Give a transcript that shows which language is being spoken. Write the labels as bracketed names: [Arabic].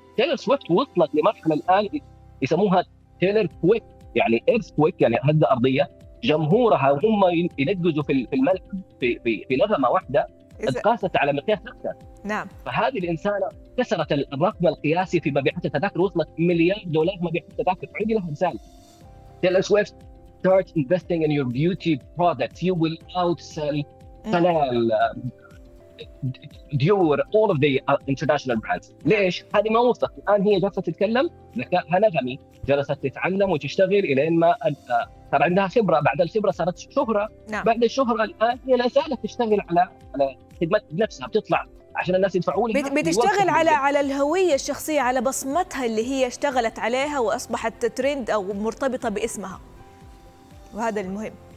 [Arabic] تايلر سويفت وصلت لمرحله الان يسموها تايلر كويك، يعني ايرث كويك، يعني هده ارضيه. جمهورها هم ينقزوا في الملعب في نغمه واحده، قاست على مقياس أكثر. نعم. فهذه الإنسانة كسرت الرقم القياسي في مبيعات التذاكر، وصلت مليار دولار مبيعات التذاكر. عندي لها مثال. [English] Taylor Swift start investing in your beauty products. You will outsell Chanel, Dior, all of the international brands. [Arabic] ليش؟ هذه ما وصلت. الآن هي جالسة تتكلم ذكاء هنغمي، جلست تتعلم وتشتغل إلين ما صار عندها خبرة، بعد الخبرة صارت شهرة. نعم. بعد الشهرة الآن هي لا زالت تشتغل على خدمة نفسها، بتطلع عشان الناس يدفعوا لها، بتشتغل على الهوية الشخصية، على بصمتها اللي هي اشتغلت عليها وأصبحت ترند أو مرتبطة باسمها، وهذا المهم.